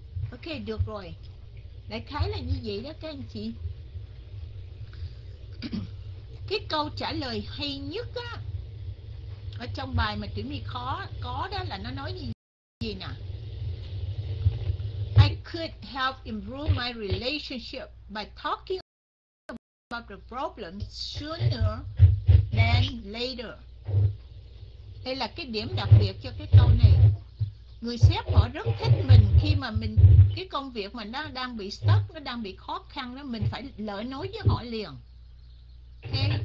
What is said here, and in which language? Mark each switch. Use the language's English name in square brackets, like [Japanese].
[Vietnamese] Ok, được rồi. Đại khái là như vậy đó các anh chị. Cái câu trả lời hay nhất á, ở trong bài mà Tuyển My khó có đó, là nó nói gì nè. [English] I could help improve my relationship by talking about the problem sooner than later. [Vietnamese] Đây là cái điểm đặc biệt cho cái câu này. Người sếp họ rất thích mình khi mà mình, cái công việc mà nó đang bị stuck, nó đang bị khó khăn đó, mình phải lỡ nói với họ liền. Okay?